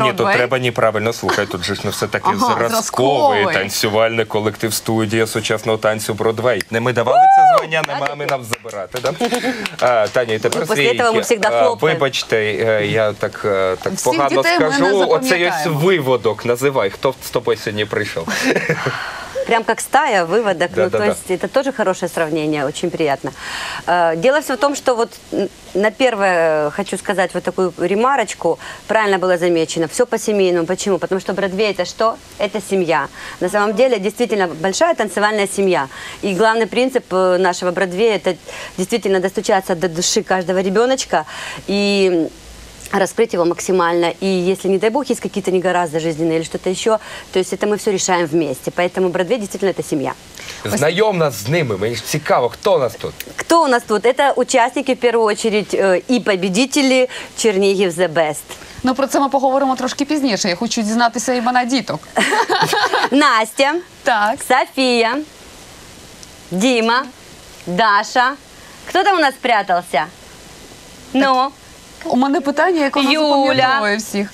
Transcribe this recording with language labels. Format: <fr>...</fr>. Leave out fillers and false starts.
<uk>Ні, тут треба неправильно слухати. Тут же ж не все таки зразковий танцювальний колектив студія сучасного танцю Бродвей. Не ми давали це звання, не мами нам забирати. Да? Таня, і тепер свій. Вибачте, я так погано скажу. Оце ось виводок. Називай, хто з тобою сьогодні прийшов.</uk> <ru>Прям как стая, выводок. Да, ну, да, то есть, да. Это тоже хорошее сравнение, очень приятно. Дело все в том, что вот на первое хочу сказать вот такую ремарочку. Правильно было замечено, все по-семейному. Почему? Потому что Бродвей — это что? Это семья. На самом деле, действительно, большая танцевальная семья. И главный принцип нашего Бродвея — это действительно достучаться до души каждого ребеночка и раскрыть его максимально. И если, не дай бог, есть какие-то негоразды жизненные или что-то еще, то есть это мы все решаем вместе. Поэтому Бродвей действительно это семья. Знаем нас с ними. Мне интересно, кто у нас тут? Кто у нас тут? Это участники, в первую очередь, и победители Чернігів The Best.</ru> <uk>Ну, про це ми поговоримо трошки пізніше. Я хочу дізнатися імена діток. Настя. Так. Софія. Діма. Даша. Хто там у нас спрятався? Ну? У мене питання, як вона запам'ятовує всіх.</uk>